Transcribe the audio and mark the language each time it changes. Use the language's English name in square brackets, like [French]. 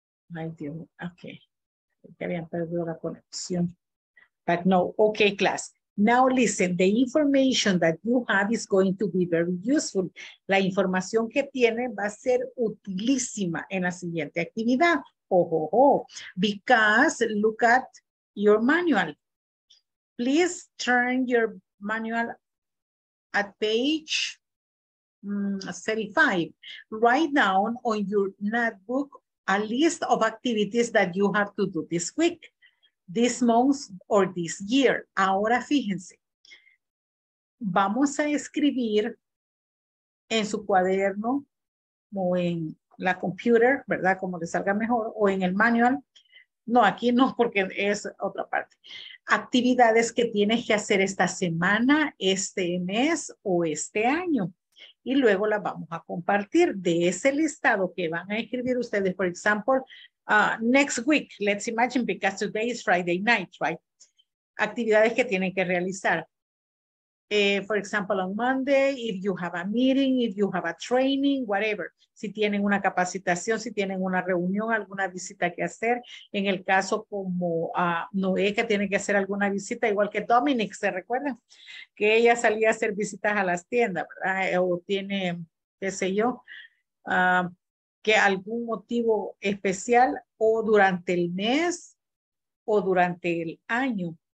[English] My dear, okay. [Spanish] Habían perdido la conexión. [English] But no, okay, class. Now listen, the information that you have is going to be very useful. [Spanish] La información que tiene va a ser utilísima en la siguiente actividad. [English] Oh, oh, oh, because look at your manual. Please turn your manual at page 35. Write down on your notebook a list of activities that you have to do this week, this month, or this year. [Spanish] Ahora fíjense. Vamos a escribir en su cuaderno o en la computer, ¿verdad? Como le salga mejor, o en el manual. No, aquí no, porque es otra parte. Actividades que tienes que hacer esta semana, este mes o este año. Y luego las vamos a compartir de ese listado que van a escribir ustedes. Por ejemplo, [English] next week, let's imagine, because today is Friday night, right? [Spanish] Actividades que tienen que realizar. [English] For example, on Monday, if you have a meeting, if you have a training, whatever. [Spanish] Si tienen una capacitación, si tienen una reunión, alguna visita que hacer. En el caso como Noé, que tiene que hacer alguna visita, igual que Dominic, ¿se recuerdan? Que ella salía a hacer visitas a las tiendas, ¿verdad? O tiene, qué sé yo, que algún motivo especial o durante el mes o durante el año.